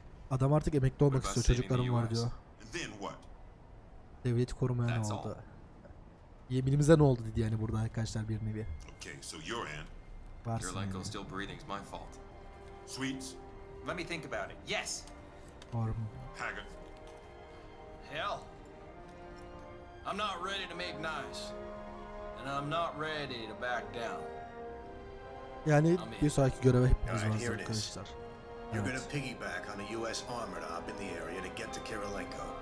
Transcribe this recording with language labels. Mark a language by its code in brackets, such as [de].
[tr] Adam artık emekli olmak istiyor. Çocuklarım var diyor. Devleti korumayan oldu. Yeminimize ne oldu dedi yani burada arkadaşlar, bir nevi. [en] Okay, so you're in. [tr] Varsın. [en] Your Lenko's still breathing, it's my fault. Sweets. Let me think about it. Yes. [tr] Var mı? [en] Haggard. Hell. I'm not ready to make nice. And I'm not ready to back down. [tr] Yani bir sonraki göreve hepimiz varız arkadaşlar. [en] You're gonna piggyback on a US armored op in the area to get to Kirilenko.